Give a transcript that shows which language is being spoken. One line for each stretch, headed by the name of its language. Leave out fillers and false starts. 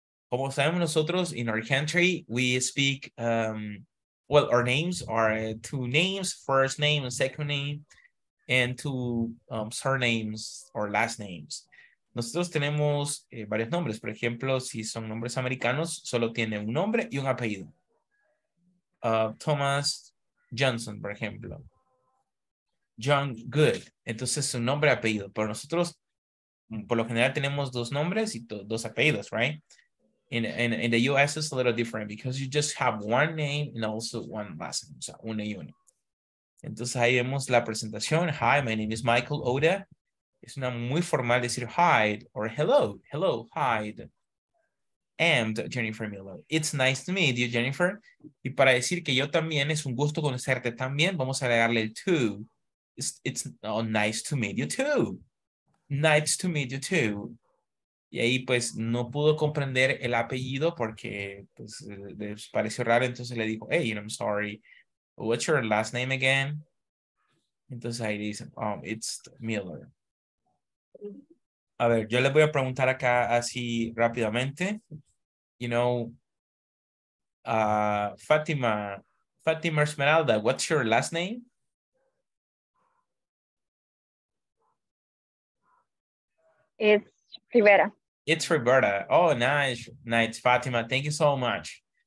Spanish: Como sabemos nosotros,
English: in our country, we speak, well, our names are two names, first name and second name, and two surnames or last names.
Spanish: Nosotros tenemos varios nombres. Por ejemplo, si son nombres americanos, solo tienen un nombre y un apellido. Thomas Johnson, por ejemplo. John Good. Entonces, su nombre y apellido. Pero nosotros, por lo general, tenemos dos nombres y dos apellidos,
English: right? In the U.S., it's a little different because you just have one name and also one last name.
Spanish: O sea, una y una. Entonces, ahí vemos la presentación.
English: Hi, my name is Michael Oda.
Spanish: Es una muy formal decir
English: hi or hello. Hello, hi. And Jennifer Miller. It's nice to meet you, Jennifer.
Spanish: Y para decir que yo también, es un gusto conocerte también, vamos a agregarle el to.
English: It's oh, nice to meet you too. Nice to meet you too.
Spanish: Y ahí, pues, no pudo comprender el apellido porque, pues, les pareció raro. Entonces, le dijo,
English: hey, I'm sorry. What's your last name again?
Spanish: Entonces ahí dice,
English: it's Miller.
Spanish: A ver, yo le voy a preguntar acá así rápidamente.
English: You know, Fátima Esmeralda, what's your last name? It's Rivera. It's Rivera. Oh, nice, Fátima. Thank you so much.